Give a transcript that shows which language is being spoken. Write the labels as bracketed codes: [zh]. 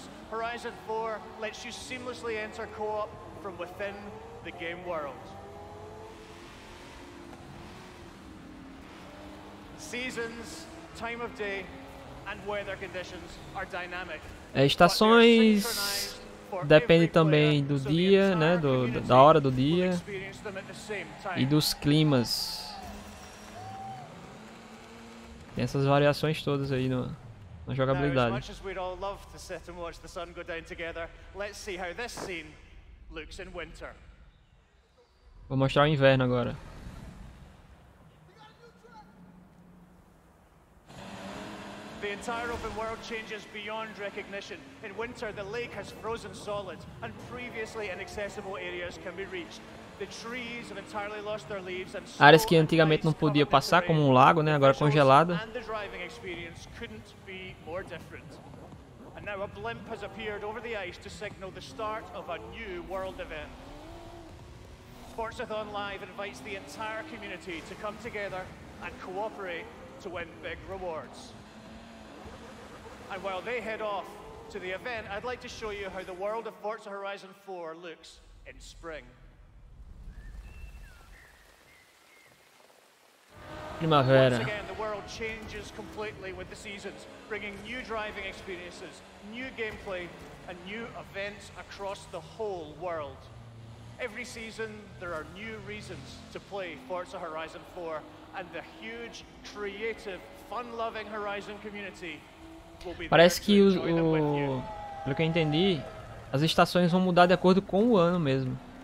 [en] Horizon 4 lets you seamlessly enter co-op from within the game world. Seasons, time of day, and weather conditions are dynamic. [pt] Estações depende também do dia, né, da hora do dia e dos climas. Tem essas variações todas aí no na jogabilidade. [en] Now, as much as we'd all love to sit and watch the sun go down together, let's see how this scene looks in winter. [pt] Vou mostrar o inverno agora. [en] The entire open world changes beyond recognition. In winter, the lake has frozen solid, and previously inaccessible areas can be reached. The trees have entirely lost their leaves and snow. [pt] Áreas que antigamente não podia passar, como um lago, né? Agora congelada. [en] And the driving experience couldn't be more different. And now a blimp has appeared over the ice to signal the start of a new world event. Forsython Live invites the entire community to come together and cooperate to win big rewards. And while they head off to the event, I'd like to show you how the world of Forza Horizon 4 looks in spring. [pt] Primavera. [en] Once again, the world changes completely with the seasons, bringing new driving experiences, new gameplay, and new events across the whole world. Every season, there are new reasons to play Forza Horizon 4, and the huge, creative, fun-loving Horizon community. [pt] Parece que pelo que eu entendi, as estações vão mudar de acordo com o ano mesmo.